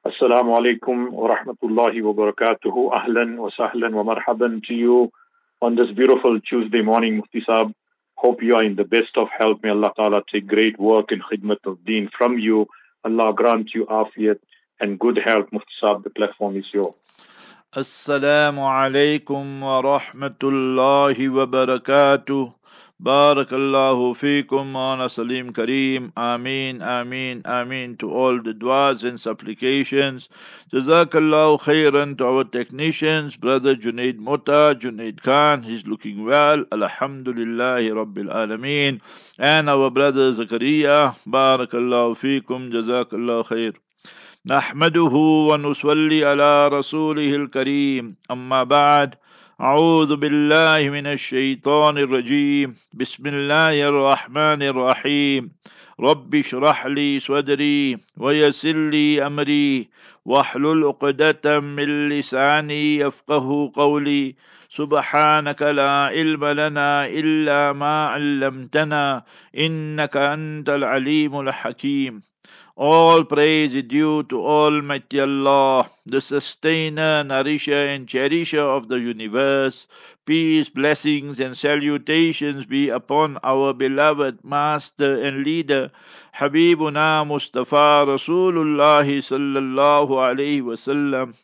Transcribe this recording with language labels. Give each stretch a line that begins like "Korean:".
Arabic: السلام عليكم ورحمة الله وبركاته. أهلا وسهلا ومرحبا
English: to you on this beautiful Tuesday morning, Mufti Saab. Hope you are in the best of health. May Allah Ta'ala take great work in khidmat of deen from you. Allah grant you afiyat and good health, Mufti Saab. The platform is yours.
Arabic: السلام عليكم ورحمة الله وبركاته. بارك الله فيكم وانا سليم كريم آمين آمين آمين
English: to all the duas and supplications.
Arabic: جزاك الله خيرا
English: to our technicians, brother Junaid Mota, Junaid Khan, he's looking well, Alhamdulillah
Arabic: رب العالمين,
English: and our brother Zakaria,
Arabic: بارك الله فيكم جزاك الله خير. نحمده ونصلي على رسوله الكريم أما بعد. أعوذ بالله من الشيطان الرجيم بسم الله الرحمن الرحيم رب اشرح لي صدري ويسر لي أمري واحلل عقدة من لساني يفقه قولي سبحانك لا علم لنا إلا ما علمتنا إنك أنت العليم الحكيم.
English: All praise is due to Almighty Allah, the sustainer, nourisher and cherisher of the universe. Peace, blessings and salutations be upon our beloved master and leader, Habibuna Mustafa Rasulullah sallallahu alayhi wa sallam.